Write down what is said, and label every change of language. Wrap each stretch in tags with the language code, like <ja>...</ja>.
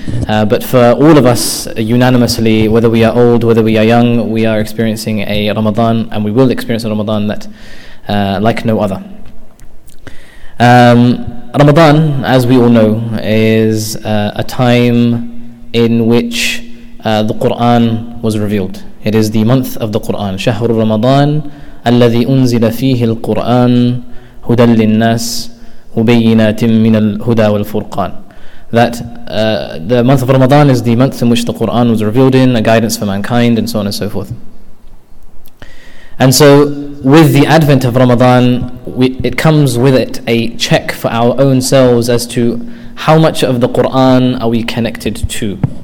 <en>But for all of us, unanimously, whether we are old, whether we are young, we are experiencing a Ramadan, and we will experience a Ramadan that like no other. Ramadan, as we all know, is a time in which the Qur'an was revealed. It is the month of the Qur'an.</en> <ar>شهر رمضان الذي أنزل فيه القرآن هدى للناس وبينات من الهدى والفرقان.</ar> <en>That the month of Ramadan is the month in which the Qur'an was revealed in, a guidance for mankind, and so on and so forth. And so, with the advent of Ramadan, it comes with it a check for our own selves as to how much of the Qur'an are we connected to.</en>